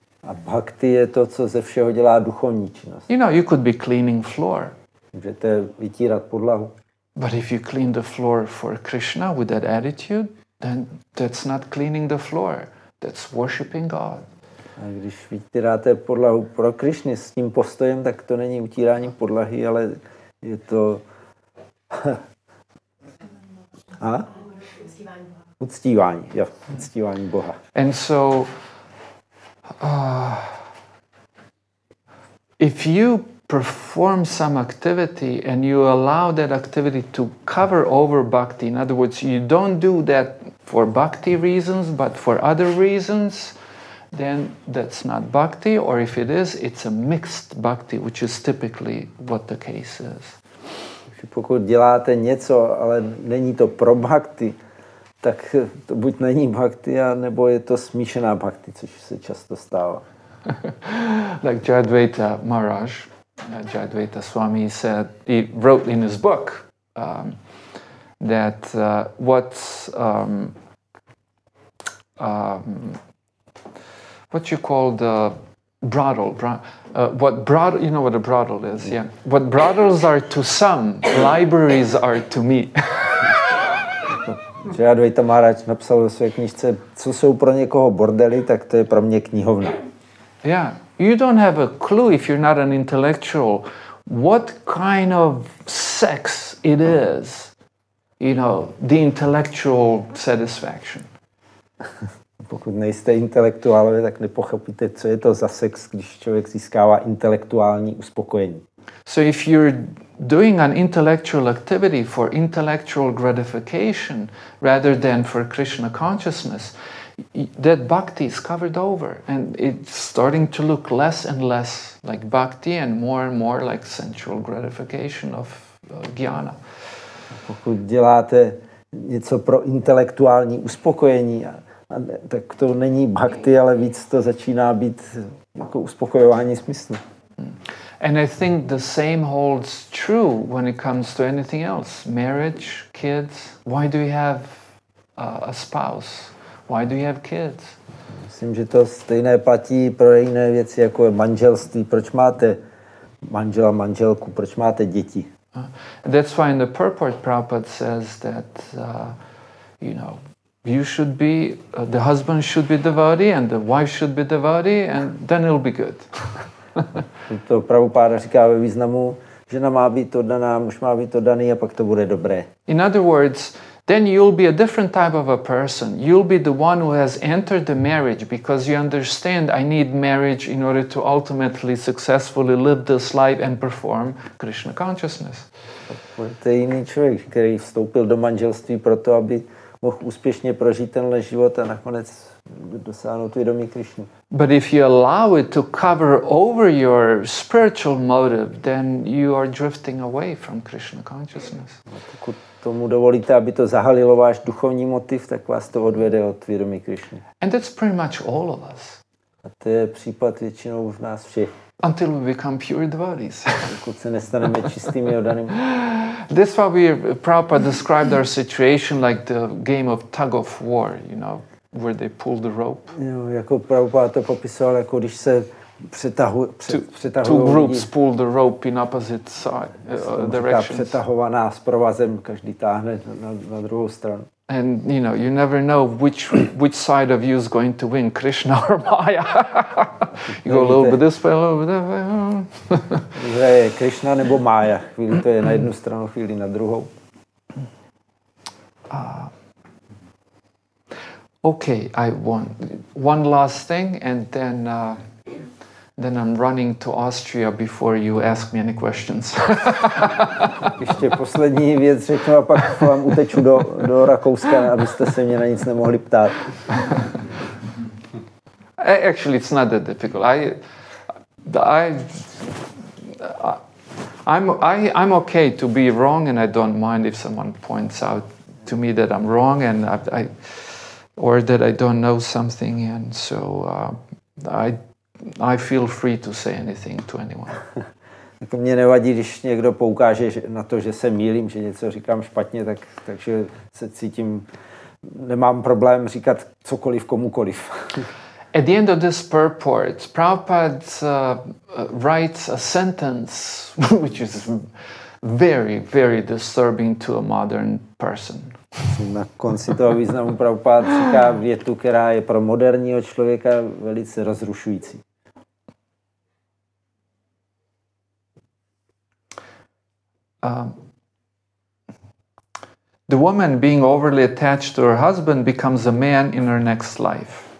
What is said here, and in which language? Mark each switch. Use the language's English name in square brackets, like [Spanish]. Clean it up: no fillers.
[Czech] A bhakti je to, co ze všeho dělá duchovní činnost. [English] You know, you could be cleaning floor. [Czech] Můžete vytírat podlahu. [English] But if you clean the floor for Krishna with that attitude, then that's not cleaning the floor. That's worshiping God. [Czech] A když vytíráte podlahu pro Krišny s tím postojem, tak to není utírání podlahy, ale je to a? Uctívání. Jo, uctívání Boha. [English] And so if you perform some activity and you allow that activity to cover over bhakti, in other words, you don't do that for bhakti reasons, but for other reasons, then that's not bhakti, or if it is, it's a mixed bhakti, which is typically what the case is. [Czech] Pokud děláte něco, ale není to pro bhakti, tak to buď není bhakti, nebo je to smíšená bhakti, což se často stává. [English] Like Jadvaita Maharaj, Jadvaita Swami said, he wrote in his book that what you call the brothel, what brothel, you know what a brothel is, yeah. What brothels are to some, libraries are to me. [Czech] Jadvaita Maharaj napsal ve své knižce, co jsou pro někoho bordely, tak to je pro mě knihovna. [English] Yeah, you don't have a clue if you're not an intellectual what kind of sex it is, you know, the intellectual satisfaction. [Czech] Pokud nejste intelektuálové, tak nepochopíte, co je to za sex, když člověk získává intelektuální uspokojení. [English] So if you're doing an intellectual activity for intellectual gratification rather than for Krishna consciousness, that bhakti is covered over and it's starting to look less and less like bhakti and more like sensual gratification of jnana. [Czech] Pokud děláte něco pro intelektuální uspokojení, tak to není bhakti, ale víc to začíná být jako uspokojování smyslu. [English] And I think the same holds true when it comes to anything else. Marriage, kids. Why do you have a spouse? Why do you have kids? [Czech] Myslím, že to stejné platí pro jiné věci, jako je manželství. Proč máte manžela, manželku? Proč máte děti? [English] That's why in the purport Prabhupada says that, you know, you should be, the husband should be devotee and the wife should be devotee and then it'll be good. [Czech] To Prabhupada říká ve významu, žena má být oddaná, muž má být oddaný a pak to bude dobré. [English] In other words, then you'll be a different type of a person. You'll be the one who has entered the marriage because you understand I need marriage in order to ultimately successfully live this life and perform Krishna consciousness. [Czech] Budete jiný člověk, který vstoupil do manželství proto, aby mohl úspěšně prožít tenhle život a nakonec dosáhnout vědomí Krišny. [English] But if you allow it to cover over your spiritual motive, then you are drifting away from Krishna consciousness. [Czech] Pokud tomu dovolíte, aby to zahalilo váš duchovní motiv, tak vás to odvede od vědomí Krišny. [English] And that's pretty much all of us. [Czech] A to je případ většinou v nás všech. [English] Until we become pure devotees. [Czech] Pokud se nestaneme čistými oddanými. [English] This is why Prabhupada described our situation like the game of tug of war, you know, where they pull the rope. [Czech] Jo, jako Prabhupada to popisal, jako když se přetahují. [English] Two groups pull the rope in opposite side, directions. [Czech] Říká, přetahovaná s provazem, každý táhne na druhou stranu. [English] And you know, you never know which side of you is going to win, Krishna or Maya. You go a little bit this way, a little bit that way. [Czech] Že je Krishna nebo Maya, chvíli to je na jednu stranu, chvíli na druhou. [English] Okay, I want one last thing, and then I'm running to Austria before you ask me any questions. [Czech] Ještě poslední věc řeknu a pak vám uteču do Rakouska, abyste se mě na nic nemohli ptát. [English] Actually, it's not that difficult. I'm okay to be wrong, and I don't mind if someone points out to me that I'm wrong and or that I don't know something, and so I feel free to say anything to anyone. [Czech] Tak mě nevadí, když někdo poukáže na to, že se mýlím, že něco říkám špatně, takže se cítím, nemám problém říkat cokoliv komukoliv. [English] At the end of this purport, Prabhupada writes a sentence which is very, very disturbing to a modern person. [Czech] Na konci toho významu Prabhupada říká větu, která je pro moderního člověka velice rozrušující. [English] The woman being overly attached to her husband becomes a man in her next life.